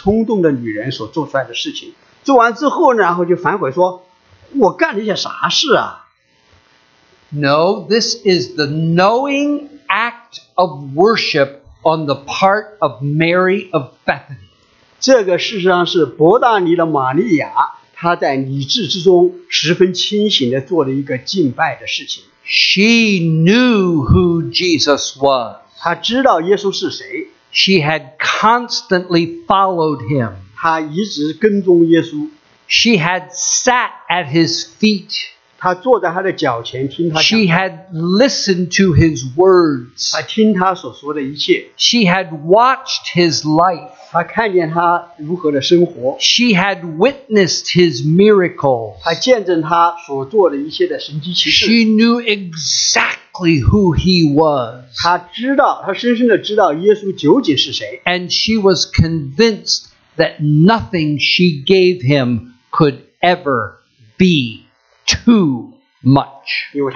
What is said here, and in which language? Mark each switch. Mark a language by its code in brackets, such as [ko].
[zh] 这里讲到的不是一个心血来潮、头脑发热、一时冲动的女人所做出来的事情。做完之后呢，然后就反悔说：“我干了一些啥事啊？” [en] No, this is the knowing act of worship on the part of Mary of Bethany. [zh] 这个事实上是伯大尼的玛利亚，她在理智之中十分清醒地做了一个敬拜的事情。 [en] She knew who Jesus was. [zh] 她知道耶稣是谁。 [en] She had constantly followed him. [zh] 她一直跟踪耶稣。 [en] She had sat at his feet. [zh] 她坐在他的脚前听他讲话。 [en] She had listened to his words. [zh] 她听他所说的一切。 [en] She had watched his life. [zh] 她看见他如何的生活。 [en] She had witnessed his miracles. [zh] 她见证他所做的一切的神迹奇事。 [en] She knew exactly who he was. [zh] 她知道，她深深的知道耶稣究竟是谁。 [en] And she was convinced that nothing she gave him could ever be too much.